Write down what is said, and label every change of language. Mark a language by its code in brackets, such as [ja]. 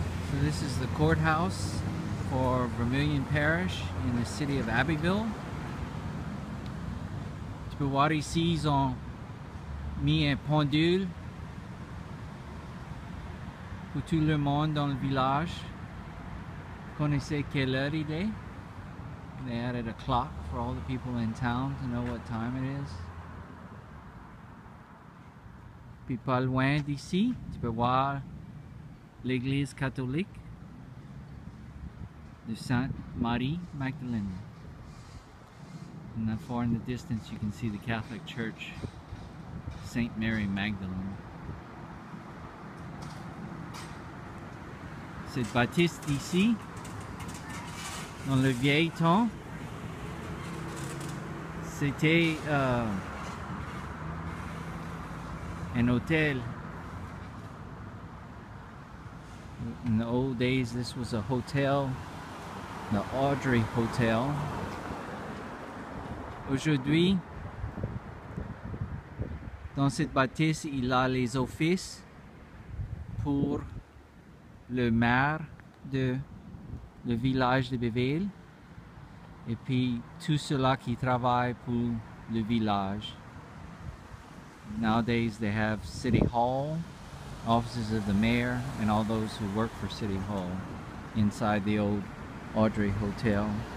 [en] So this is the courthouse for Vermilion Parish in the city of Abbeville. [fr] Tu peux voir ici, ils ont mis un pendule pour tout le monde dans le village. Vous connaissez quelle heure il est? [en] They added a clock for all the people in town to know what time it is. [fr] Puis pas loin d'ici, tu peux voir l'église catholique de Sainte-Marie Magdalene. [en] And that far in the distance you can see the Catholic Church, Saint Mary Magdalene. [fr] Cette bâtisse d'ici, dans le vieil temps, c'était [en] an hotel. In the old days, this was a hotel, the Audrey Hotel. [fr] Aujourd'hui, dans cette bâtisse, il a les offices pour le maire de le village de Abbeville et puis tous ceux-là qui travaillent pour le village. [en] Nowadays they have City Hall, offices of the mayor, and all those who work for City Hall inside the old Audrey Hotel.